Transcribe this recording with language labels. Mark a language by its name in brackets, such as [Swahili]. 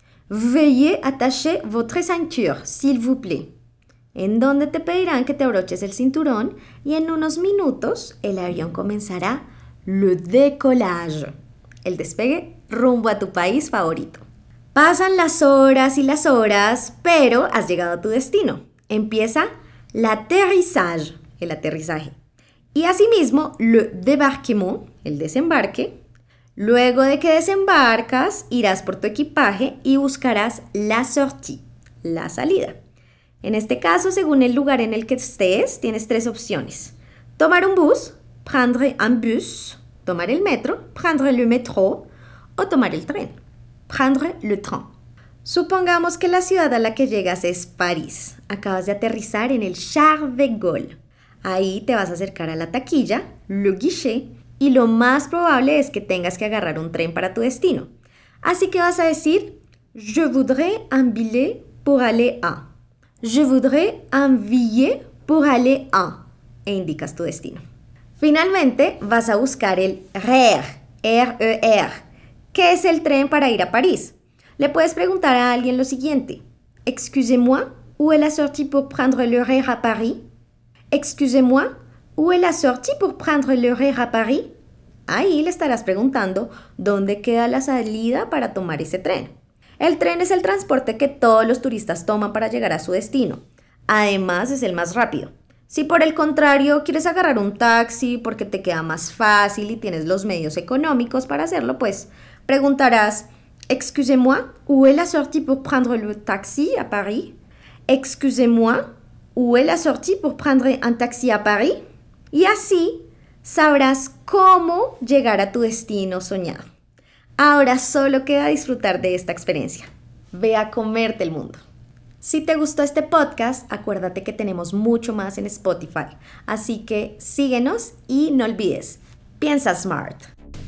[French] Veuillez attacher votre ceinture, s'il vous plaît. [Spanish] En donde te pedirán que te abroches el cinturón y en unos minutos el avión comenzará [French] le décollage, [Spanish] el despegue rumbo a tu país favorito. Pasan las horas y las horas, pero has llegado a tu destino. Empieza [French] l'atterrissage, [Spanish] el aterrizaje. Y asimismo, [French] le débarquement, [Spanish] el desembarque. Luego de que desembarcas, irás por tu equipaje y buscarás [French] la sortie, [Spanish] la salida. En este caso, según el lugar en el que estés, tienes tres opciones. Tomar un bus, [French] prendre un bus, [Spanish] tomar el metro, [French] prendre le métro, [Spanish] o tomar el tren, [French] prendre le train. [Spanish] Supongamos que la ciudad a la que llegas es París. Acabas de aterrizar en el Charles de Gaulle. Ahí te vas a acercar a la taquilla, [French] le guichet, [Spanish] y lo más probable es que tengas que agarrar un tren para tu destino. Así que vas a decir, [French] je voudrais un billet pour aller à. Je voudrais un billet pour aller à. [Spanish] E indicas tu destino. Finalmente, vas a buscar el RER, R-E-R, que es el tren para ir a París. Le puedes preguntar a alguien lo siguiente. [French] Excusez-moi, où est la sortie pour prendre le RER à Paris? Excusez-moi, où est la sortie pour prendre le RER à Paris? [Spanish] Ahí le estarás preguntando dónde queda la salida para tomar ese tren. El tren es el transporte que todos los turistas toman para llegar a su destino. Además, es el más rápido. Si por el contrario quieres agarrar un taxi porque te queda más fácil y tienes los medios económicos para hacerlo, pues preguntarás, [French] excusez-moi, où est la sortie pour prendre le taxi à Paris? Excusez-moi, où est la sortie pour prendre un taxi à Paris? [Spanish] Y así sabrás cómo llegar a tu destino soñado. Ahora solo queda disfrutar de esta experiencia. Ve a comerte el mundo. Si te gustó este podcast, acuérdate que tenemos mucho más en Spotify. Así que síguenos y no olvides, piensa smart.